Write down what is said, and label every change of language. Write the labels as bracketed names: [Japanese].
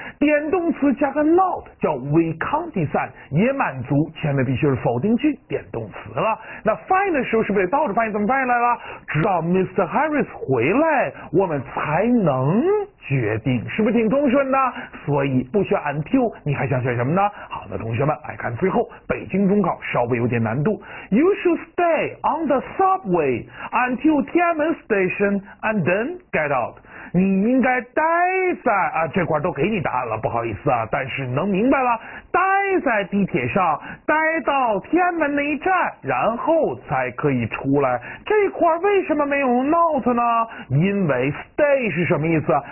[Chinese] 点动词加个 not 叫 [English] we can't decide， [Chinese] 也满足前面必须是否定句点动词了。那翻译的时候是不是得倒着翻译？怎么翻译来了？直到 Mr. Harris 回来，我们才能决定，是不是挺通顺呢？所以不选 until， 你还想选什么呢？好的，同学们来看最后北京中考稍微有点难度。 [English] You should stay on the subway until Tiananmen station and then get out。 [Chinese] 你应该待在啊，这块都给你答案了，不好意思啊，但是能明白了，待在地铁上，待到天安门那一站，然后才可以出来。这块为什么没有 not 呢？因为 stay 是什么意思？